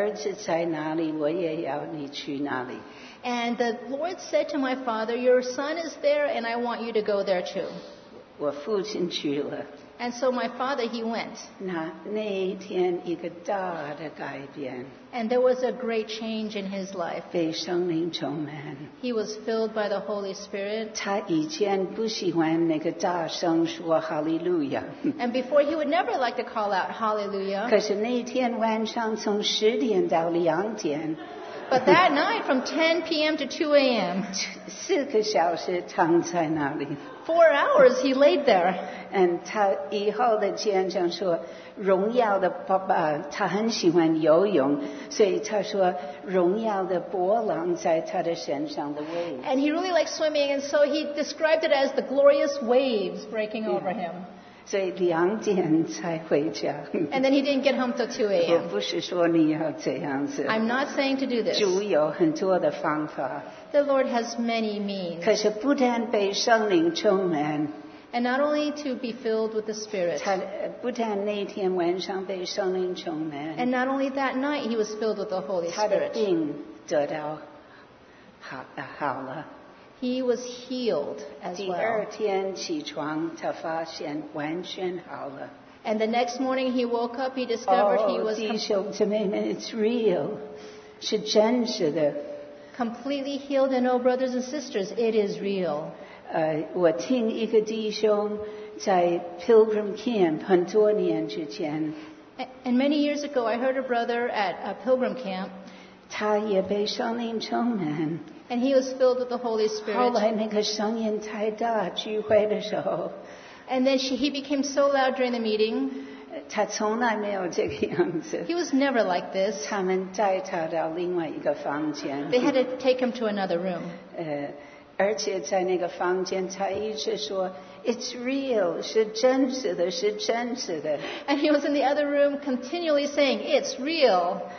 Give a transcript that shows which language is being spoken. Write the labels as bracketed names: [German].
[Chinese] 主对我父亲说，你的儿子在哪里，我也要你去哪里。 [English] And the Lord said to my father, your son is there, and I want you to go there too. [Chinese] 我父亲去了。 [English] And so my father, he went. [Chinese] 那一天一个大的改变。 [English] And there was a great change in his life. [Chinese] 被圣灵充满。 [English] He was filled by the Holy Spirit. [Chinese] 他以前不喜欢那个大声说Hallelujah。 [English] And before, he would never like to call out Hallelujah. [Chinese] 可是那一天晚上从10点到2点。 [English] But that night, from 10 p.m. to 2 a.m., 4 hours, 4 hours he laid there. [Chinese] And 他以后的见证说，荣耀的爸爸，他很喜欢游泳，所以他说荣耀的波浪在他的身上的waves。 [English] And he really likes swimming, and so he described it as the glorious waves breaking over him. [Chinese] 所以两点才回家。 [English] And then he didn't get home till 2 a.m. [Chinese] 我不是说你要这样子。 [English] I'm not saying to do this. [Chinese] 主有很多的方法。 [English] The Lord has many means. [Chinese] 可是不但被圣灵充满。 [English] And not only to be filled with the Spirit. [Chinese] 不但那天晚上被圣灵充满。 [English] And not only that night he was filled with the Holy Spirit. [Chinese] 他的病得到好了。 [English] He was healed as well. [Chinese] 第二天起床，他发现完全好了。 [English] And the next morning he woke up, he discovered he was... [Chinese] 弟兄姊妹们, [English] it's real. [Chinese] 是真实的。 [English] Completely healed, and oh, brothers and sisters, it is real. [Chinese] 我听一个弟兄在Pilgrim Camp很多年之前。 [English] And many years ago, I heard a brother at a Pilgrim Camp. [Chinese] 他也被圣灵充满。 [English] And he was filled with the Holy Spirit. [Chinese] 后来那个声音太大，聚会的时候。 [English] And then he became so loud during the meeting. [Chinese] 他从来没有这个样子。 [English] He was never like this. [Chinese] 他们带他到另外一个房间。 [English] They had to take him to another room. [Chinese] 而且在那个房间，他一直说， [English] It's real, [Chinese] 是真实的, 是真实的。 [English] And he was in the other room continually saying, It's real.